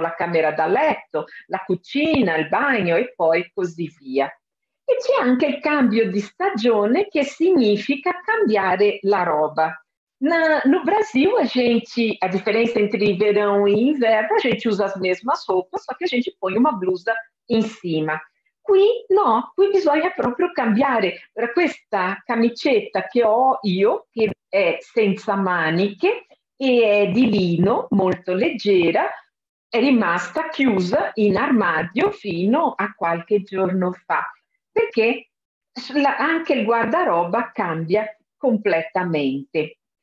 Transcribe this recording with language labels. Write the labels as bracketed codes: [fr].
[it] La camera da letto, la cucina, il bagno e poi così via. E c'è anche il cambio di stagione, che significa cambiare la roba. [pt] No Brasil a gente, a differenza entre verão e inverno, a gente usa as mesmas roupas, só che a gente põe [it] una blusa in cima. Qui no, qui bisogna proprio cambiare. Per questa camicetta che ho io, che è senza maniche, e è di lino, molto leggera, è rimasta chiusa in armadio fino a qualche giorno fa, perché anche il guardaroba cambia completamente.